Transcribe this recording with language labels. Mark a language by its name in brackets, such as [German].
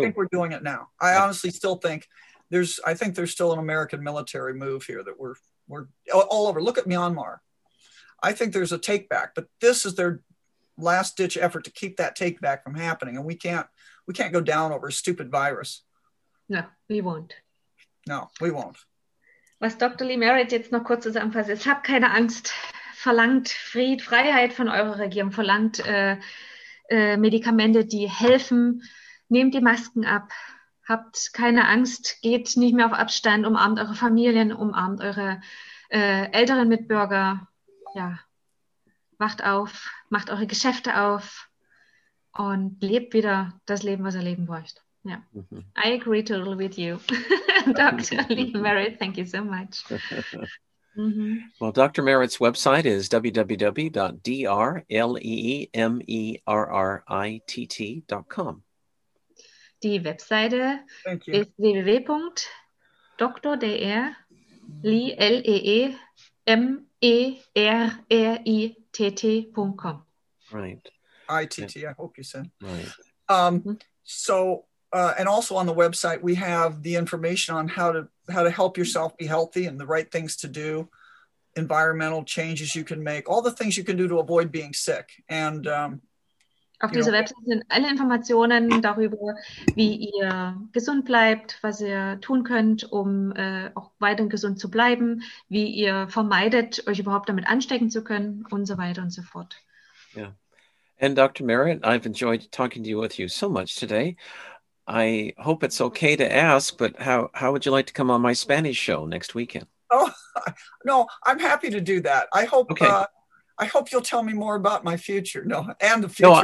[English] I think we're doing it now. Honestly still think there's still an American military move here that we're all over. Look at Myanmar. I think there's a take back, but this is their last ditch effort to keep that take back from happening. And we can't go down over a stupid virus. No, we won't. [German] Was Dr. Lee Merritt jetzt noch kurz zusammenfasst, ist, habt keine Angst, verlangt Frieden, Freiheit von eurer Regierung, verlangt Medikamente, die helfen, nehmt die Masken ab, habt keine Angst, geht nicht mehr auf Abstand, umarmt eure Familien, umarmt eure älteren Mitbürger, ja, wacht auf, macht eure Geschäfte auf und lebt wieder das Leben, was ihr leben wollt. [English] Yeah, I agree totally with you, Dr. Lee Merritt. Thank you so much. Well, Dr. Merritt's website is www.drlemerritt.com. [German] Die Webseite ist www.drlemerritt.com. [English] Right. ITT, I hope you said. Right. So And also on the website, we have the information on how to help yourself be healthy and the right things to do, environmental changes you can make, all the things you can do to avoid being sick. And [German] auf dieser Website sind alle Informationen darüber, wie ihr gesund bleibt, was ihr tun könnt, um auch weiterhin gesund zu bleiben, wie ihr vermeidet, euch überhaupt damit anstecken zu können und so weiter und so fort. [English] Ja. Yeah. And Dr. Merritt, I've enjoyed talking to you with you so much today. I hope it's okay to ask, but how would you like to come on my Spanish show next weekend? Oh, no, I'm happy to do that. I hope okay. I hope you'll tell me more about my future. No, and the future.